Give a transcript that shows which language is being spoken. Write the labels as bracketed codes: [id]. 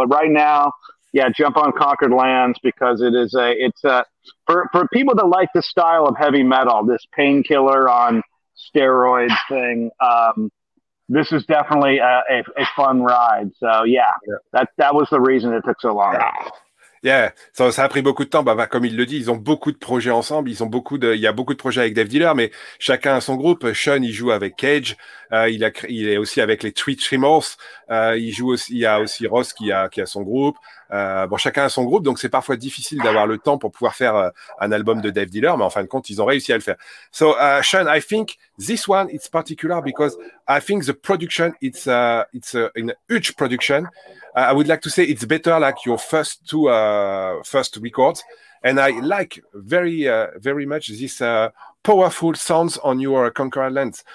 [en] But right now, yeah, jump on Conquered Lands, because it's for people that like the style of heavy metal, this Painkiller on steroids thing. This is definitely a fun ride. So yeah, that was the reason it took so long. [fr] Yeah, so ça a pris beaucoup de temps. Bah, comme il le dit, ils ont beaucoup de projets ensemble. Ils ont beaucoup de, il y a beaucoup de projets avec Death Dealer, mais chacun a son groupe. Sean, il joue avec Cage. Il est aussi avec les Three Tremors. Il y a aussi Ross qui a son groupe. Bon, chacun a son groupe, donc c'est parfois difficile d'avoir le temps pour pouvoir faire un album de Death Dealer, mais en fin de compte, ils ont réussi à le faire. [en] So, Sean, I think this one is particular because I think the production, it's a huge production. I would like to say it's better like your first two first records, and I like very much this powerful sounds on your Conquered Lands.